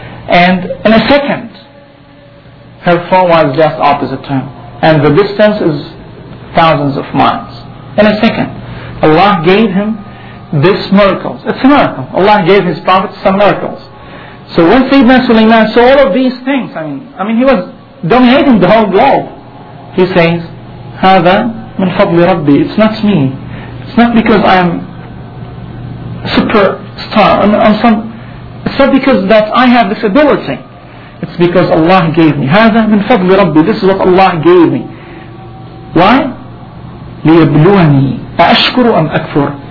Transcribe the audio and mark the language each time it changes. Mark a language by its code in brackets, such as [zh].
[en] And in a second, her throne was just opposite to him. And the distance is thousands of miles. In a second, Allah gave him this miracles. It's a miracle. Allah gave his prophet some miracles. So when Sayyidina Sulaiman saw all of these things, I mean, he was dominating the whole globe. He says, [ar] هذا من فضل ربي. [en] It's not me. It's not because I'm superstar. It's not because that I have this ability. It's because Allah gave me. [ar] هذا من فضل ربي. [en] This is what Allah gave me. Why? [ar] ليبلوني أشكر أم أكفر.